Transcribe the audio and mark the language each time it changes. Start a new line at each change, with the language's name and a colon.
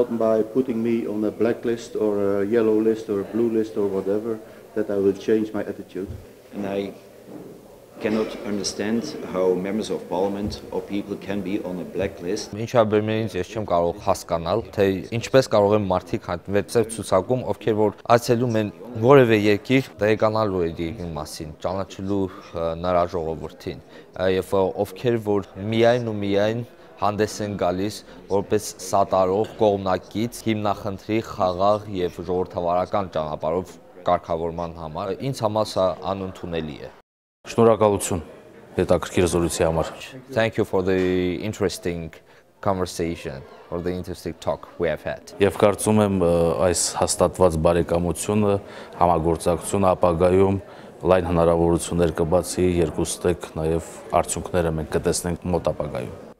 English: It's not by putting me on a blacklist or a yellow list or a blue list or whatever that I will change my attitude. And I cannot understand how members of parliament or people can be on a blacklist.
Armenian: Ինչա բեմերից ես չեմ կարող հասկանալ, թե ինչպես կարող են մարդիկ վերցնել ցուցակում, ովքեր որ այցելում են որևէ երկիր, տեղեկանալու այդ երկրի մասին, ճանաչելու նրա ժողովրդին, եւ ովքեր որ միայն ու միայն հանդես են գալիս որպես սատարող կողմնակից հիմնախնդրի խաղաղ եւ ժողովրդավարական ճանապարհով կարգավորման համար, ինձ համար սա անընդունելի է։ Շնորհակալություն հետաքրքիր զրույցի համար։
English: Thank you for the interesting conversation or the interesting talk we have had.
Armenian: Եվ կարծում եմ այս հաստատված բարեկամությունը, համագործակցությունը ապագայում լայն հնարավորություններ կբացի երկուստեք նաև արդյունքները մենք կտեսնենք մոտ ապագայում։